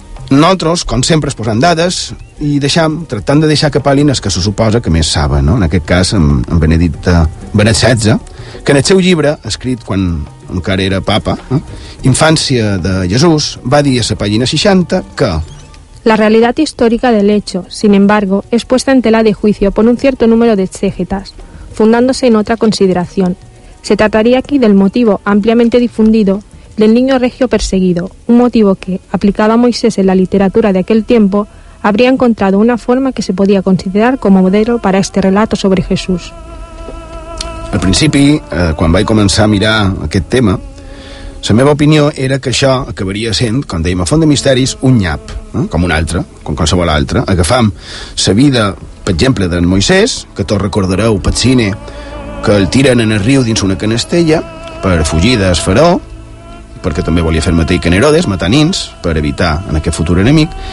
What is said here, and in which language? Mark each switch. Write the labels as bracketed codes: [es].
[ca] Nosaltres, com sempre, es posen dades i deixem, tractant de deixar que palin els que se suposa que més saben, no? En aquest cas amb Benet XVI, que en el seu llibre, escrit quan encara era papa, Infància de Jesús, va dir a la pàgina 60 que La realitat històrica [es] del hecho, sin embargo, es puesta en tela de juicio por un cierto número de exégetas, fundándose en otra consideración. Se trataría aquí del motivo ampliamente difundido del niño regio perseguido, un motivo que, aplicado a Moisés en la literatura de aquel tiempo, habría encontrado una forma que se podía considerar como modelo para este relato sobre Jesús. [ca] Al principi, quan vaig començar a mirar aquest tema, la meva opinió era que això acabaria sent, com dèiem a Font de Misteris, un nyap, com un altre, com qualsevol altre. Agafam la vida, per exemple, d'en Moisés, que tots recordareu pel cine, que el tiren en el riu dins una canestella per fugir del faraó, perquè també volia fer el mateix que Nerodes, matar nins, per evitar en aquest futur enemic.